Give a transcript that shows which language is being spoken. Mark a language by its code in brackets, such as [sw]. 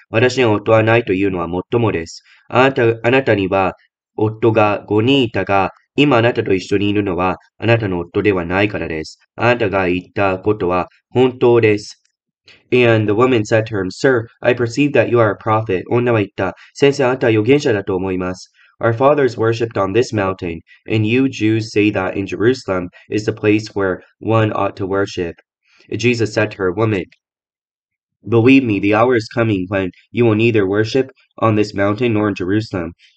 [ja] 私は夫はないというのはもっともです。あなたには夫が5人いたが、今あなたと一緒にいるのはあなたの夫ではないからです。あなたが言ったことは本当です。 [en] And the woman said to him, Sir, I perceive that you are a prophet. [ja] 女は言った。先生、あなたは預言者だと思います。 [en] Our fathers worshipped on this mountain, and you Jews say that in Jerusalem is the place where one ought to worship. Jesus said to her, Woman, believe me, the hour is coming when you will neither worship on this mountain nor in Jerusalem.